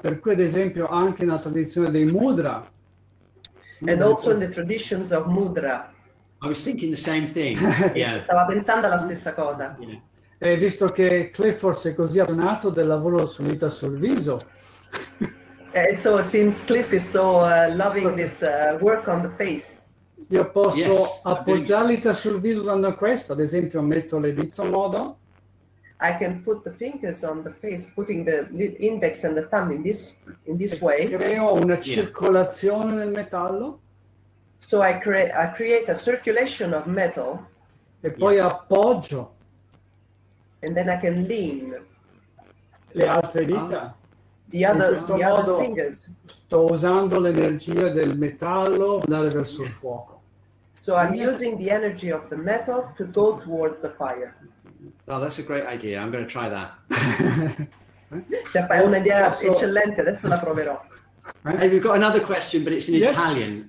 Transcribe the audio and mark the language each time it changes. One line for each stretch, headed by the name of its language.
Italian: Per cui ad esempio anche nella tradizione dei mudra.
English: And also in the traditions of mudra. I was thinking the same thing. Yeah.
Italian: Stavo pensando alla stessa cosa.
English: Yeah.
Italian: Visto che Clifford è così abbonato del lavoro sul dita sul viso.
English: So since Cliff is so loving this work on the face,
Italian: io posso appoggiarli sul viso dando questo. Ad esempio, metto le dito modo.
English: I can put the fingers on the face, putting the index and the thumb in this way.
Italian: Creo una circolazione nel metallo.
English: So I create a circulation of metal.
Italian: E poi appoggio.
English: And then I can lean.
Italian: Le altre dita.
English: The other fingers.
Italian: Sto usando l'energia del metallo per andare verso il fuoco.
English: So I'm using the energy of the metal to go towards the fire. Oh, that's a great idea. I'm going to try that.
Italian: È un'idea eccellente. Adesso la proverò.
English: Hey, we've got another question, but it's in Italian.